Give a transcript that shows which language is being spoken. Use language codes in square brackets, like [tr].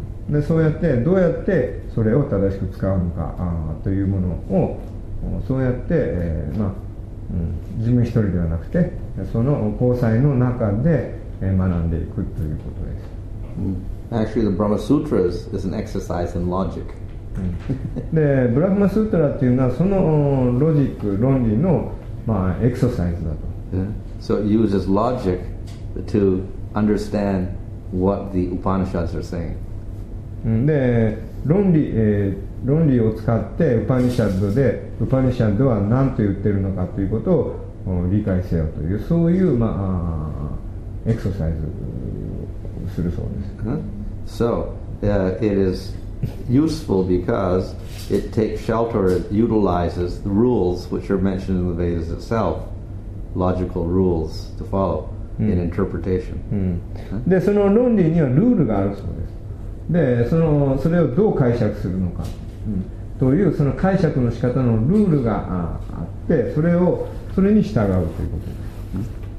[ja] でそうやってどうやってそれを正しく使うのかというものをそうやって、まあ、うん、自分一人ではなくてその交際の中で学んでいくということです。 [en] Actually the Brahma Sutras is an exercise in logic. [ja] でブラフマスートラというのはそのロジック論理の、まあ、エクササイズだと。 [en] So it uses logic to understand what the Upanishads are saying. [ja] で論理を使ってウパニシャッドは何と言ってるのかということを理解せよというそういう、まあ、エクササイズをするそうです。 [en] So it is useful because it takes shelter, it utilizes the rules which are mentioned in the Vedas itself, logical rules to follow in interpretation. [ja] でその論理にはルールがあるそうです。でそれをどう解釈するのか、うん、というその解釈の仕方のルールがあってそれに従うということです。